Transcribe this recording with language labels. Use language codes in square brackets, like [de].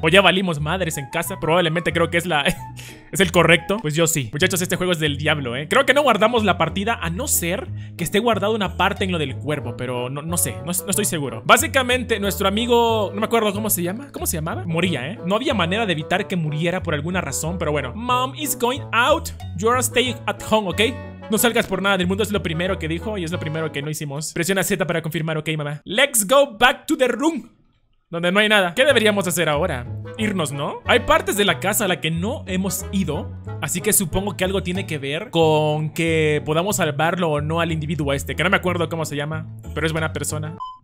[es] ¿O ya valimos madres en casa? Probablemente creo que es la... ¿Es el correcto? Pues yo sí. Muchachos, este juego es del diablo, ¿eh? Creo que no guardamos la partida a no ser que esté guardada una parte en lo del cuervo. Pero no sé, no estoy seguro. Básicamente, nuestro amigo... No me acuerdo cómo se llama. ¿Cómo se llamaba? Moría, ¿eh? No había manera de evitar que muriera por alguna razón, pero bueno. [en] Mom is going out, you're staying at home, ¿ok? [es] No salgas por nada del mundo, es lo primero que dijo y es lo primero que no hicimos. Presiona Z para confirmar, ok, mamá. [en] Let's go back to the room, [es] donde no hay nada. ¿Qué deberíamos hacer ahora? Irnos, ¿no? Hay partes de la casa a la que no hemos ido, así que supongo que algo tiene que ver con que podamos salvarlo o no al individuo este, que no me acuerdo cómo se llama, pero es buena persona.